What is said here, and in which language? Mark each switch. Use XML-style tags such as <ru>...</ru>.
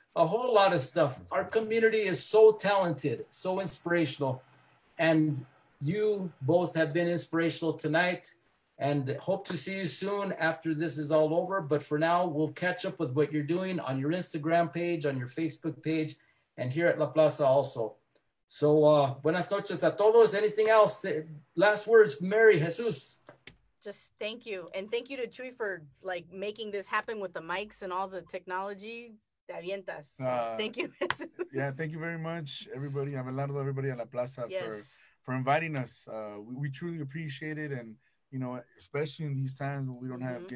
<en>A whole lot of stuff. Our community is so talented, so inspirational. And you both have been inspirational tonight. And hope to see you soon after this is all over. But for now, we'll catch up with what you're doing on your Instagram page, on your Facebook page, and here at La Plaza also.</en> <es>So, buenas noches a todos.</es> <en>Anything else? Last words, Mary, Jesus. Just thank you. And thank you to Chuy for like making this happen with the mics and all the technology.</en> <es>Te avientas.</es> <en>Thank you, Jesus. Yeah, thank you very much, everybody. Abelardo, everybody at La Plaza, yes, for inviting us. We truly appreciate it. And you know, especially in these times when we don't have mm-hmm.</en>